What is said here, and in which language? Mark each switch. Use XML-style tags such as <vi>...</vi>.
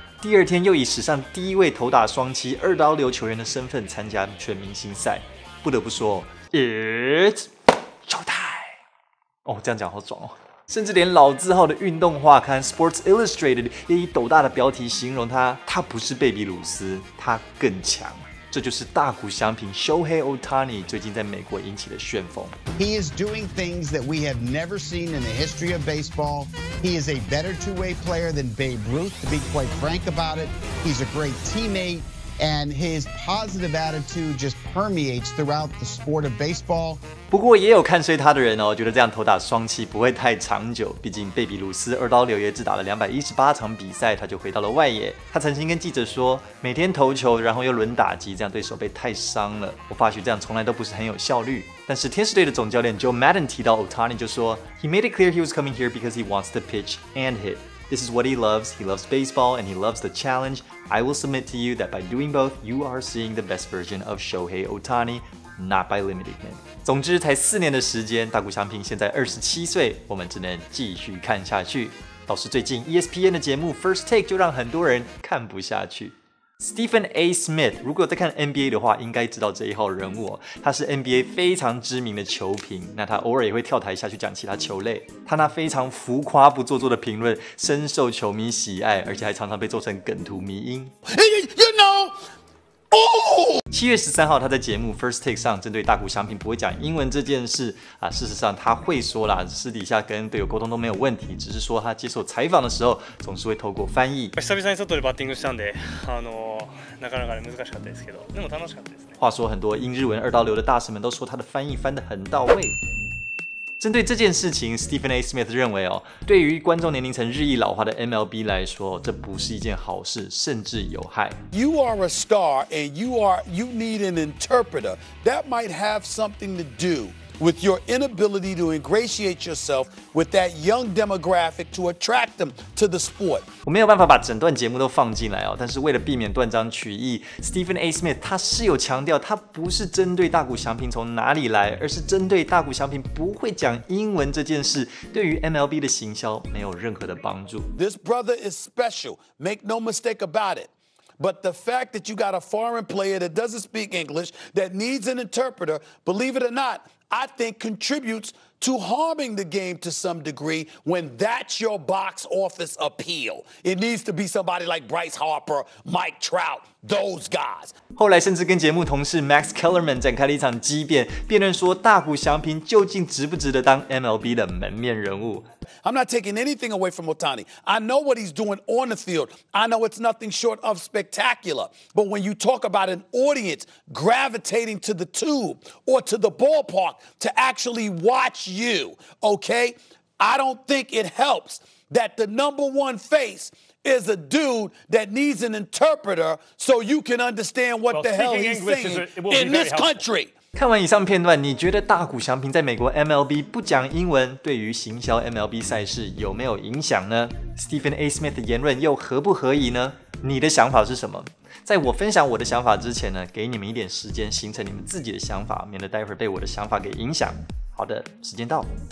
<zh>第二天又以史上第一位投打双七二刀流球员的身份参加全明星赛，不得不说 ，</zh> <en>It's showtime！</en> <zh>哦，这样讲好爽哦。甚至连老字号的运动画刊 Sports Illustrated 也以斗大的标题形容他，他不是贝比鲁斯，他更强。这就是大谷翔平 Shohei Ohtani 最近在美国引起的旋风。</zh> <en>He is doing things that we have never seen in the history of baseball. He is a better two-way player than Babe Ruth, to be quite frank about it. He's a great teammate, and his positive attitude just permeates throughout the sport of baseball.</en> <zh>不过也有看衰他的人哦，觉得这样投打双七不会太长久。毕竟贝比鲁斯二刀流也只打了218场比赛，他就回到了外野。他曾经跟记者说，每天投球，然后又轮打击，这样对手背太伤了。我发觉这样从来都不是很有效率。但是天使队的总教练 Joe Maddon 提到 Ohtani 就说</zh> <en>，He made it clear he was coming here because he wants to pitch and hit. This is what he loves. He loves baseball and he loves the challenge. I will submit to you that by doing both, you are seeing the best version of Shohei Ohtani. Not by limiting him.</en> <zh>总之，才四年的时间，大谷翔平现在27岁，我们只能继续看下去。倒是最近 ESPN 的节目 First Take 就让很多人看不下去。 Stephen A. Smith， 如果在看 NBA 的话，应该知道这一号人物、哦。他是 NBA 非常知名的球评，那他偶尔也会跳台下去讲其他球类。他那非常浮夸不做作的评论，深受球迷喜爱，而且还常常被做成梗图迷因。</zh> <en>You know.</en> <zh>七月十三号，他在节目 First Take 上针对大谷翔平不会讲英文这件事啊，事实上他会说啦，私底下跟队友沟通都没有问题，只是说他接受采访的时候总是会透过翻译。</zh> <ja>久々に外でバッティングしたんで、なかなか難しかったですけど、でも楽しかったですね。</ja> <zh>话说很多英日文二刀流的大神们都说他的翻译翻得很到位。针对这件事情 ，Stephen A. Smith 认为哦，对于观众年龄层日益老化的 MLB 来说，这不是一件好事，甚至有害。</zh> <en>You are a star, and you need an interpreter. That might have something to do with your inability to ingratiate yourself with that young demographic to attract them to the sport.</en> <zh>我没有办法把整段节目都放进来哦，但是为了避免断章取义 ，Stephen A. Smith 他是有强调，他不是针对大谷翔平从哪里来，而是针对大谷翔平不会讲英文这件事，对于 MLB 的行销没有任何的帮助。</zh> <en>This brother is special. Make no mistake about it. But the fact that you got a foreign player that doesn't speak English, that needs an interpreter, believe it or not, I think contributes to harming the game to some degree when that's your box office appeal. It needs to be somebody like Bryce Harper, Mike Trout, those guys.</en> <zh>后来甚至跟节目同事 Max Kellerman 展开了一场激辩，辩论说大谷翔平究竟值不值得当 MLB 的门面人物。</zh> <en>I'm not taking anything away from Ohtani. I know what he's doing on the field. I know it's nothing short of spectacular. But when you talk about an audience gravitating to the tube or to the ballpark to actually watch you, okay? I don't think it helps that the number one face is a dude that needs an interpreter so you can understand what the hell he's saying in this country.</en> <zh>看完以上片段，你觉得大谷翔平在美国 MLB 不讲英文，对于行销 MLB 赛事有没有影响呢？ Stephen A. Smith 的言论又合不合宜呢？你的想法是什么？在我分享我的想法之前呢，给你们一点时间形成你们自己的想法，免得待会儿被我的想法给影响。好的，时间到。</zh>